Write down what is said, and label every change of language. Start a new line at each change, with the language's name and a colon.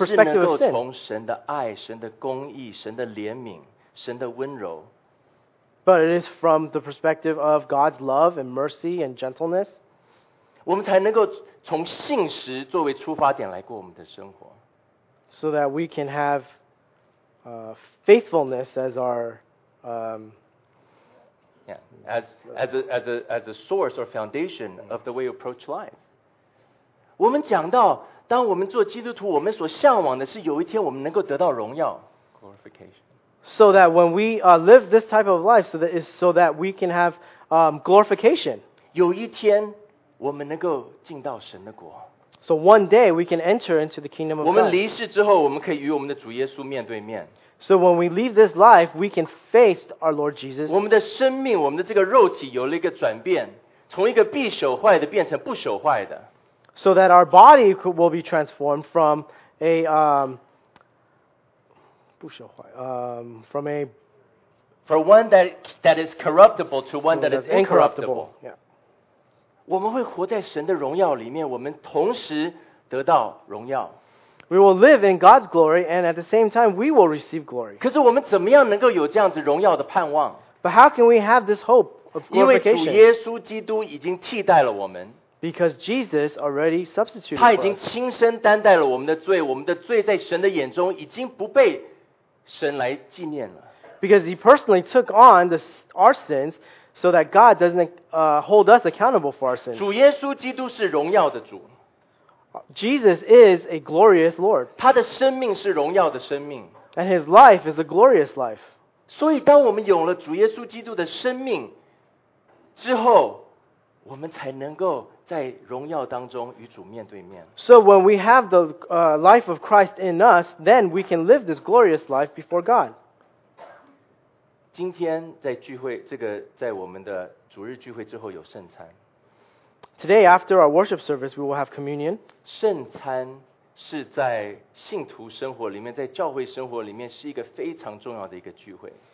Chinese: 而是能够从神的爱、神的公义、神的怜悯。神的温柔。
English: But it is from the perspective of God's love and mercy and gentleness.
Chinese: 我们才能够从信实作为出发点来过我们的生活。
English: So that we can have faithfulness as our as a source or foundation of the way we approach life.
Chinese: 我们讲到，当我们做基督徒，我们所向往的是有一天我们能够得到荣耀。
English: Glorification. So that when we live this type of life, so that we can have glorification.
Chinese: 有一天我们能够进到神的国。
English: So one day we can enter into the kingdom of God.
Chinese: 我们离世之后，我们可以与我们的主耶稣面对面。
English: So when we leave this life, we can face our Lord Jesus.
Chinese: 我们的生命，我们的这个肉体有了一个转变，从一个必朽坏的变成不朽坏的。
English: So that our body will be transformed from a For one that is corruptible to one that is incorruptible. Yeah.
Chinese: 我们会活在神的荣耀里面，我们同时得到荣耀。
English: We will live in God's glory, and at the same time, we will receive glory.
Chinese: 可是我们怎么样能够有这样子荣耀的盼望？
English: But how can we have this hope of glorification?
Chinese: 因为主耶稣基督已经替代了我们。
English: Because Jesus already substituted for us.
Chinese: 他已经亲身担待了我们的罪，我们的罪在神的眼中已经不被神来纪念了。
English: Because he personally took on our sins so that God doesn't hold us accountable for our sins.
Chinese: 主耶稣基督是荣耀的主。
English: Jesus is a glorious Lord.
Chinese: 他的生命是荣耀的生命。
English: And his life is a glorious life.
Chinese: 所以当我们有了主耶稣基督的生命之后，我们才能够在荣耀当中与主面对面。
English: So when we have the life of Christ in us, then we can live this glorious life before God.
Chinese: 今天在聚会，这个在我们的主日聚会之后有圣餐。
English: Today after our worship service, we will have communion.
Chinese: 圣餐是在信徒生活里面，在教会生活里面是一个非常重要的一个聚会。